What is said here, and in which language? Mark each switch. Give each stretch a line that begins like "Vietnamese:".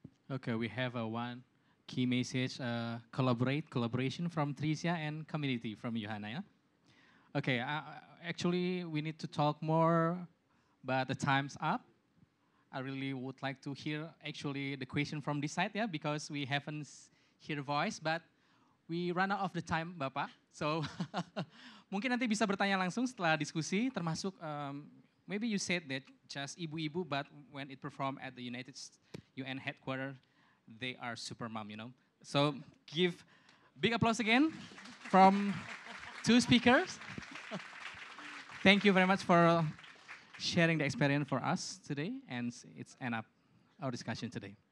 English: Okay, we have one key message: collaboration from Tricia and community from Johanna. Yeah? Okay, actually we need to talk more, but the time's up. I really would like to hear actually the question from this side, yeah, because we haven't hear voice, but we run out of the time, Bapak.
Indonesian: So mungkin nanti bisa bertanya langsung setelah diskusi, termasuk.
English: Maybe you said that just ibu-ibu, but when it performed at the United UN headquarters, they are super mom, you know? So give big applause again from two speakers. Thank you very much for sharing the experience for us today, and it's end up our discussion today.